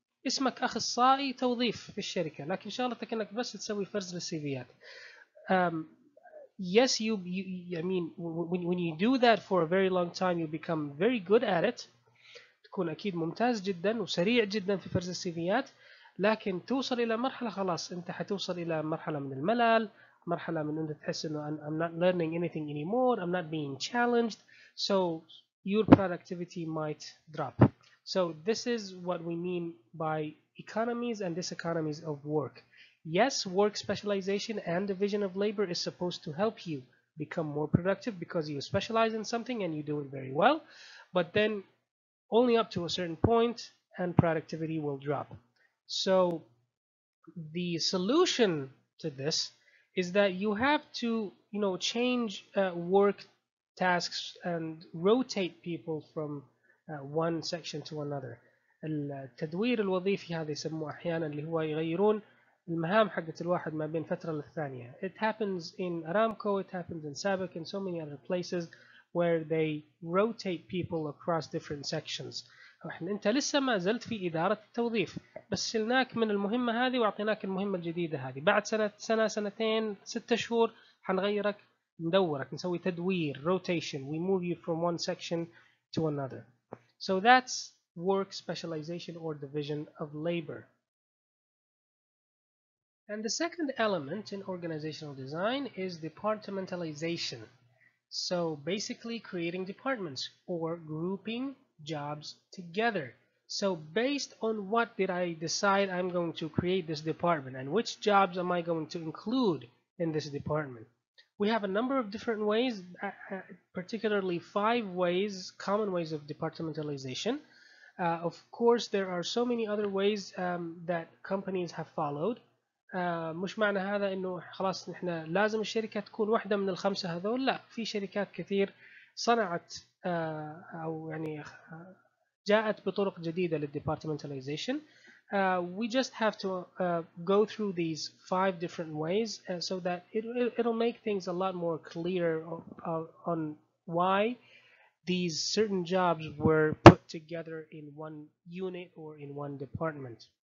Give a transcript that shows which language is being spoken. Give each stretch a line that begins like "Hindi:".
Arabic: اسمك اخصائي توظيف في الشركة لكن شغلتك انك بس تسوي فرز للسيفيات.
English: Yes, when you do that for a very long time, you become very good at it.
Arabic: تكون اكيد ممتاز جدا وسريع جدا في فرز السيفيات. لكن توصل الى مرحلة خلاص انت حتوصل الى مرحلة من الملل, مرحلة من انت تحس انه
English: I'm not learning anything anymore, I'm not being challenged. So your productivity might drop. So this is what we mean by economies and diseconomies of work. Yes, work specialization and division of labor is supposed to help you become more productive because you specialize in something and you do it very well, but then only up to a certain point and productivity will drop. So the solution to this is that you have to, change work tasks and rotate people from one section to another.
Arabic: التدوير الوظيفي هذا يسموه أحيانا اللي هو يغيرون المهام حقت الواحد ما بين فترة للثانية.
English: It happens in Aramco, it happens in SABIC and so many other places where they rotate people across different sections.
Arabic: أنت لسه ما زلت في إدارة التوظيف، بس شلناك من المهمة هذه وأعطيناك المهمة الجديدة هذه. بعد سنة سنتين 6 شهور حنغيرك، ندورك، نسوي تدوير rotation.
English: We move you from one section to another. So that's work specialization or division of labor. And the second element in organizational design is departmentalization. So basically creating departments or grouping jobs together. So based on what did I decide I'm going to create this department and which jobs am I going to include in this department? We have a number of different ways, particularly 5 ways, common ways of departmentalization. Of course, there are so many other ways that companies have followed.
Arabic: مش معنى هذا انه خلاص نحن لازم الشركة تكون واحدة من الخمسة هذول، لا، في شركات كثير صنعت او يعني جاءت بطرق جديدة للديبارتمنتاليزيشن.
English: We just have to go through these 5 different ways so that it'll make things a lot more clear on why these certain jobs were put together in one unit or in one department.